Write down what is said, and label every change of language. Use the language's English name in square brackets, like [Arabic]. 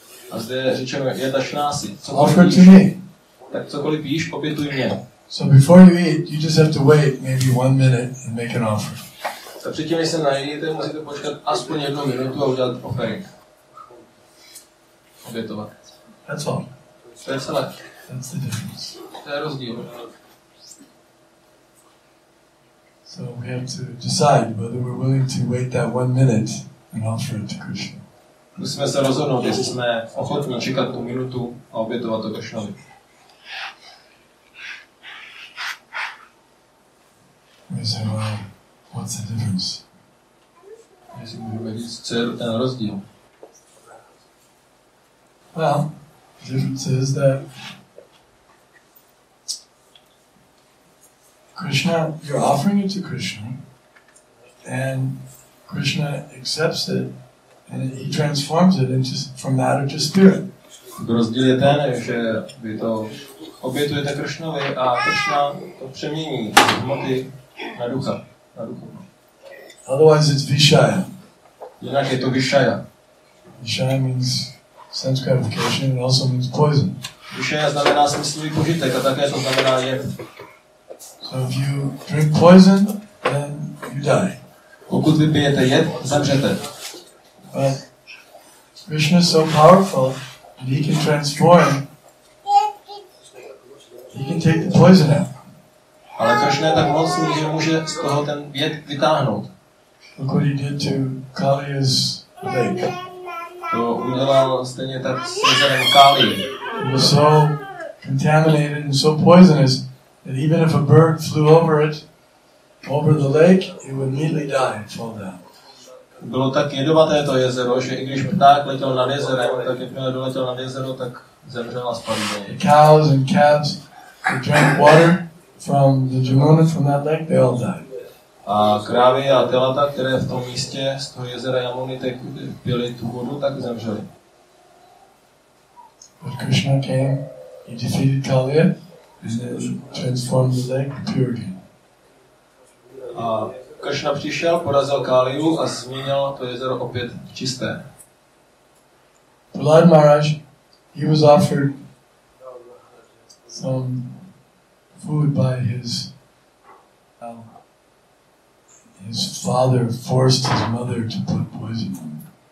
[Czech] A zde řečeno, "Yadashnasi, [English] offer to me." [Czech] Tak cokoliv jíš, obětuj mě. [English] So before you eat, you just have to wait maybe 1 minute and make an offer. [Czech] A předtím, než se najíte, musíte počkat aspoň jednu minutu a udělat offering. Obětovat. [English] That's all. [Czech] To je celé. [English] That's the difference. [Czech] To je rozdíl. [English] So we have to decide whether we're willing to wait that 1 minute and offer it to Krishna. [Czech] Musíme se rozhodnout, jestli jsme ochotni čekat tu minutu a obětovat to Krishnovi. [English] We say, well, what's the difference? [Czech] Jestli můžeme říct, co je ten rozdíl? [English] Well, the difference is that Krishna, you're offering it to Krishna, and Krishna accepts it, and he transforms it into from matter to spirit. [Czech] Rozdíl je ten, že vy to obětujete Krishnovi a Krishna to přemění z hmoty na ducha. [English] Otherwise, it's Vishaya. [Czech] Jinak je to Vishaya. [English] Vishaya means sense gratification, it also means poison. [Czech] Duše znamená smyslový požitek a také to znamená je. [English] So if you drink poison, then you die. [Czech] Pokud vypijete jed, zemřete. [English] But Krishna is so powerful that he can transform. He can take the poison out. [Czech] Ale Krishna je tak mocný, že může z toho ten jed vytáhnout. [English] Look what he did to Kali's lake. [Czech] To udělal stejně tak s jezerem Kali. [English] It was so contaminated and so poisonous that even if a bird flew over it, over the lake, it would immediately die and fall down. [Czech] Bylo tak jedovaté to jezero, že i když pták letěl nad jezerem, tak jakmile doletěl nad jezero, tak zemřel a spadl. [English] The cows and calves, they drank water from the Jamuna, from that lake, they all died. [Czech] A krávy a telata, které v tom místě z toho jezera Jamuny pili tu vodu, tak zemřeli. [English] But Krishna came, he defeated Kaliya, and then transformed the lake to pure again. [Czech] A Krishna přišel, porazil Kaliju a změnil to jezero opět v čisté. [English] Prahlad Maharaj, he was offered some food by his father forced his mother to put poison.